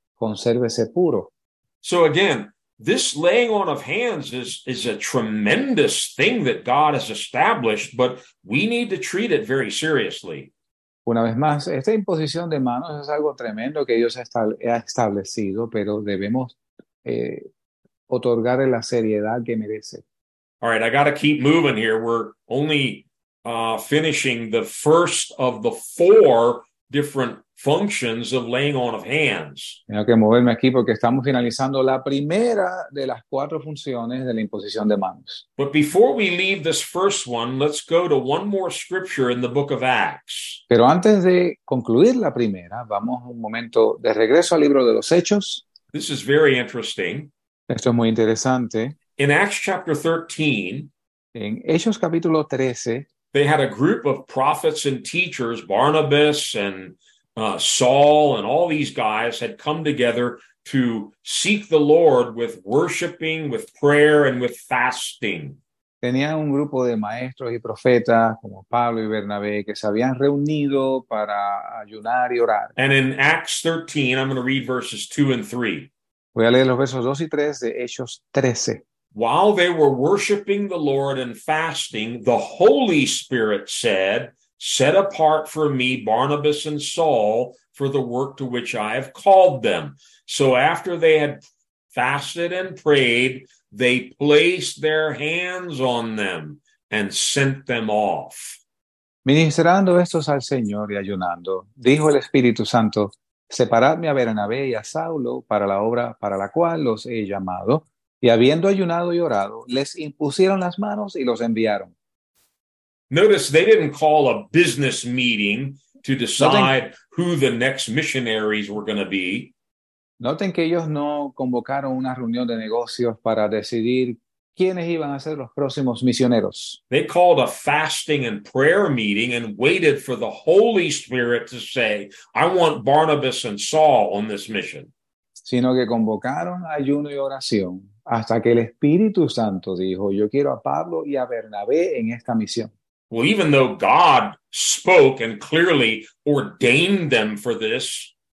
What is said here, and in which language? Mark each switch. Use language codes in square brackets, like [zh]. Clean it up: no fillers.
[es] Consérvese puro. [en] So again, this laying on of hands is a tremendous thing that God has established, but we need to treat it very seriously. [es] Una vez más, esta imposición de manos es algo tremendo que Dios ha establecido, pero debemos otorgarle la seriedad que merece. [en] All right, I got to keep moving here. We're only finishing the first of the four different functions of laying on of hands. [es] Tengo que moverme aquí porque estamos finalizando la primera de las cuatro funciones de la imposición de manos. [en] But before we leave this first one, let's go to one more scripture in the book of Acts. [es] Pero antes de concluir la primera, vamos un momento de regreso al libro de los Hechos. [en] This is very interesting. [es] Esto es muy interesante. [en] In Acts chapter 13, [es] en Hechos capítulo 13, [en] they had a group of prophets and teachers, Barnabas and Saul and all these guys had come together to seek the Lord with worshiping, with prayer, and with fasting. [es] Tenían un grupo de maestros y profetas como Pablo y Bernabé que se habían reunido para ayunar y orar. [en] And in Acts 13, I'm going to read verses 2 and 3. [es] Voy a leer los versos 2 y 3 de Hechos 13. [en] While they were worshiping the Lord and fasting, the Holy Spirit said, set apart for me Barnabas and Saul for the work to which I have called them. So after they had fasted and prayed, they placed their hands on them and sent them off. [es] Ministrando estos al Señor y ayunando, dijo el Espíritu Santo, separadme a Bernabé y a Saulo para la obra para la cual los he llamado. Y habiendo ayunado y orado, les impusieron las manos y los enviaron. [en] Notice they didn't call a business meeting to decide who the next missionaries were going to be. [es] Noten que ellos no convocaron una reunión de negocios para decidir quiénes iban a ser los próximos misioneros. [en] They called a fasting and prayer meeting and waited for the Holy Spirit to say, I want Barnabas and Saul on this mission. [es] Sino que convocaron ayuno y oración hasta que el Espíritu Santo dijo, yo quiero a Pablo y a Bernabé en esta misión. [en] Well, even though God spoke and clearly ordained them for this,